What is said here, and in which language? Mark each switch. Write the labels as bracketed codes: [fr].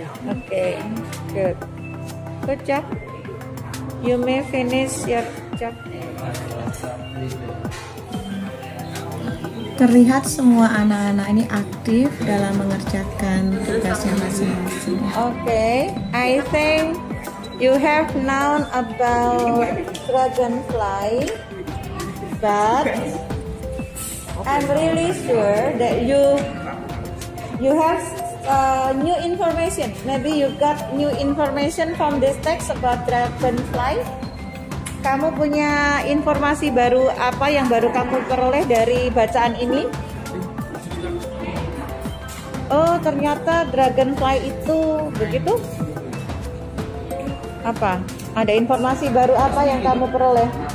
[en] Okay, good job. You may finish your job. [id] Terlihat semua anak-anak ini aktif dalam mengerjakan tugasnya masing-masing. [en] Okay, I think you have known about dragonfly, but I'm really sure that you have new information. Maybe you got new information from this text about dragonfly. [id] Kamu punya informasi baru apa yang baru kamu peroleh dari bacaan ini? Oh, ternyata dragonfly itu begitu? Apa? Ada informasi baru apa yang kamu peroleh?